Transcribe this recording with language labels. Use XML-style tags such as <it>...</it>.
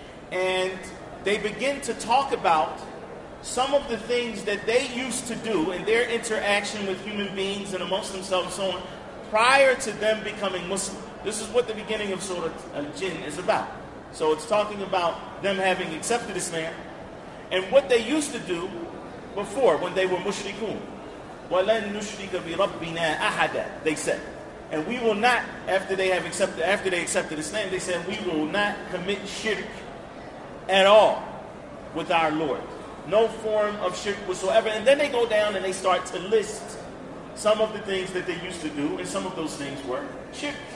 <en>And they begin to talk about some of the things that they used to do in their interaction with human beings and amongst themselves and so on prior to them becoming Muslim. This is what the beginning of Surah Al-Jinn is about. So it's talking about them having accepted Islam and what they used to do before when they were mushrikun.</en> <ar>وَلَن نُشْرِكَ بِرَبِّنَا أَحَدًا,</ar> <en>they said. And we will not, after they accepted Islam, they said, we will not commit shirk at all with our Lord. No form of shirk whatsoever. And then they go down and they start to list some of the things that they used to do, and some of those things were shirk.</en>